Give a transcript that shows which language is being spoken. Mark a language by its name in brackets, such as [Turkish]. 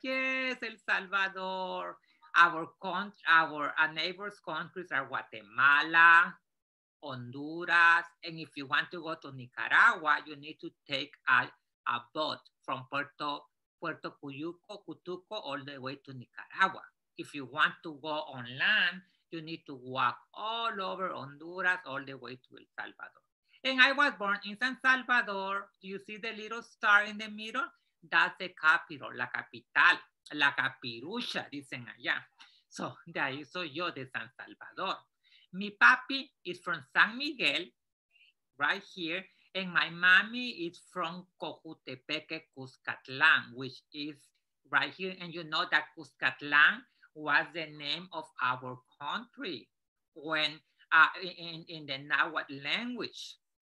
[English] Yes, El Salvador. Our neighbor's countries are Guatemala, Honduras, and if you want to go to Nicaragua, you need to take a boat from Puerto Cuyuco, Cutuco, all the way to Nicaragua. If you want to go on land, you need to walk all over Honduras, all the way to El Salvador. And I was born in San Salvador. Do you see the little star in the middle? That's the capital, [Spanish] la capital, la capirucha, dicen allá. So de ahí soy yo, de San Salvador. Mi papi [English] is from San Miguel, right here. And my mommy is from Cojutepeque, Cuscatlán, which is right here. And you know that Cuscatlán was the name of our country when in the Nahuatl language.